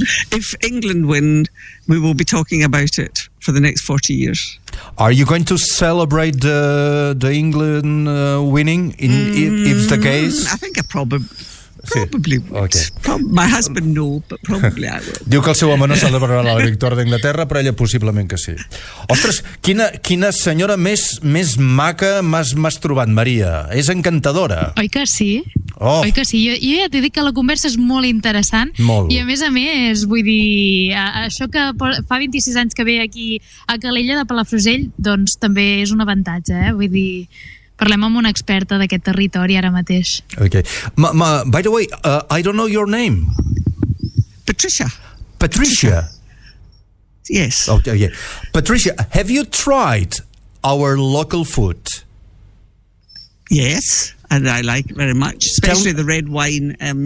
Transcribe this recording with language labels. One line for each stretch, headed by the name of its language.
English: If England win, we will be talking about it for the next 40 years. Are you going to celebrate the England winning, if the case? I think I probably... Probably would. Okay. My husband, no, but probably I would.
Catalan: Diu que el seu home no celebrarà la victòria d'Anglaterra, però ella possiblement que sí. Ostres, quina senyora més maca m'has trobat, Maria. És encantadora. Oi que sí? Oh. Oi que sí? Jo ja t'he dit que la conversa és molt interessant. Molt. I a més, vull dir, això que fa 26 anys que ve aquí a Calella de Palafrugell, doncs també és un avantatge, eh? Vull dir, parlem amb una experta d'aquest territori ara mateix.
English: Okay. By the way, I don't know your name. Patricia. Patricia. Yes. Okay. Patricia, have you tried our local food? Yes, and I like it very much, especially the red wine.